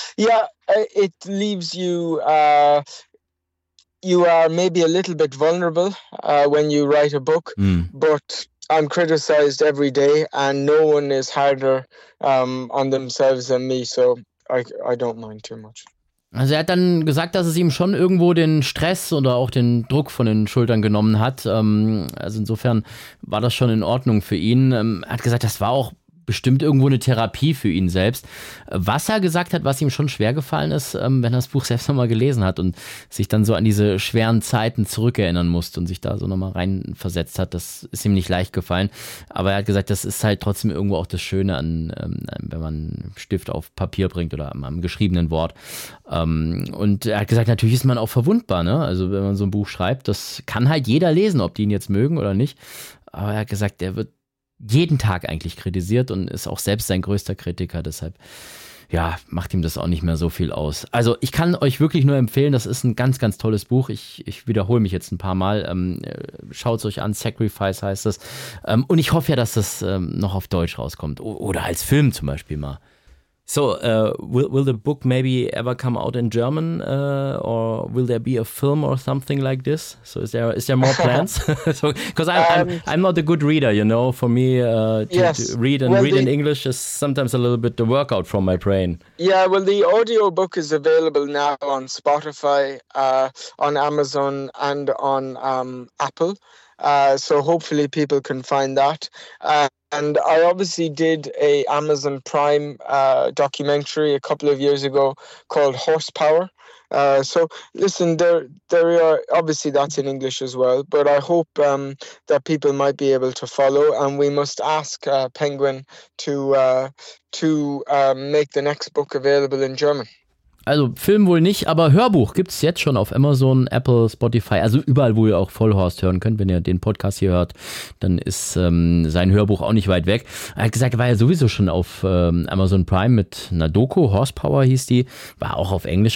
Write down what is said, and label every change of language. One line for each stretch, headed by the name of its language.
English: It leaves you, you are maybe a little bit vulnerable when you write a book, but I'm criticized every day, and no one is harder on themselves than me, so I don't mind too much.
German: Also er hat dann gesagt, dass es ihm schon irgendwo den Stress oder auch den Druck von den Schultern genommen hat. Also insofern war das schon in Ordnung für ihn. Er hat gesagt, das war auch bestimmt irgendwo eine Therapie für ihn selbst. Was er gesagt hat, was ihm schon schwer gefallen ist, wenn er das Buch selbst nochmal gelesen hat und sich dann so an diese schweren Zeiten zurückerinnern musste und sich da so nochmal reinversetzt hat, das ist ihm nicht leicht gefallen. Aber er hat gesagt, das ist halt trotzdem irgendwo auch das Schöne, an, wenn man Stift auf Papier bringt oder am geschriebenen Wort. Und er hat gesagt, natürlich ist man auch verwundbar, ne? Also wenn man so ein Buch schreibt, das kann halt jeder lesen, ob die ihn jetzt mögen oder nicht. Aber er hat gesagt, er wird jeden Tag eigentlich kritisiert und ist auch selbst sein größter Kritiker, deshalb ja, macht ihm das auch nicht mehr so viel aus. Also ich kann euch wirklich nur empfehlen, das ist ein ganz, ganz tolles Buch. Ich wiederhole mich jetzt ein paar Mal. Schaut es euch an, Sacrifice heißt das. Und ich hoffe ja, dass das noch auf Deutsch rauskommt oder als Film zum Beispiel mal.
English: So, will the book maybe ever come out in German or will there be a film or something like this? So is there more plans? Because I'm not a good reader, you know. For me, to read in English is sometimes a little bit the workout from my brain. Yeah, well, the audio book is available now on Spotify, on Amazon and on Apple. So hopefully people can find that. And I obviously did a Amazon Prime documentary a couple of years ago called Horsepower. So listen, there are obviously that's in English as well, but I hope that people might be able to follow. And we must ask Penguin to make the next book available in German.
German: Also Film wohl nicht, aber Hörbuch gibt es jetzt schon auf Amazon, Apple, Spotify, also überall, wo ihr auch Vollhorst hören könnt. Wenn ihr den Podcast hier hört, dann ist sein Hörbuch auch nicht weit weg. Er hat gesagt, er war ja sowieso schon auf Amazon Prime mit einer Doku, Horsepower hieß die, war auch auf Englisch.